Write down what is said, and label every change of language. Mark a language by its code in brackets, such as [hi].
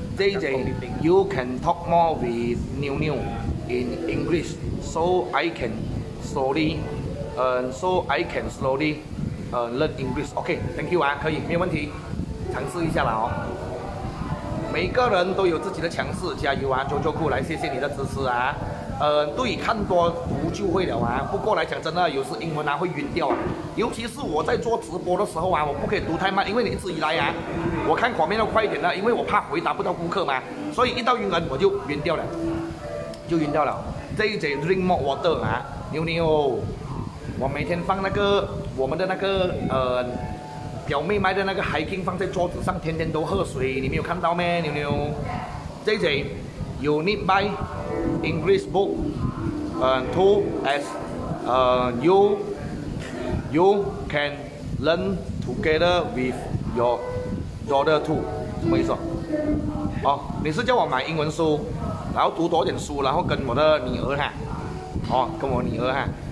[en] JJ, you can talk more with Niu Niu in English, so I can slowly, so I can slowly, learn English. OK, thank you [zh] 啊，可以，没有问题，尝试一下啦哦。每个人都有自己的强势，加油啊！周周库来，谢谢你的支持啊！对，看多读就会了啊。不过来讲真的，有时英文啊会晕掉啊，尤其是我在做直播的时候啊，我不可以读太慢，因为你一直以来啊，我看画面要快一点了，因为我怕回答不到顾客嘛，所以一到英文我就晕掉了，就晕掉了。 [en] JJ drink more water [zh] 啊，妞妞，我每天放那个我们的那个表妹卖的那个hiking放在桌子上，天天都喝水，你没有看到吗？ [en] 妞妞 ，JJ, you need buy English book, to as, you can learn together with your daughter too. [zh] 什么意思？哦，你是叫我买英文书，然后读多点书，然后跟我的女儿哈，哦，跟我女儿哈。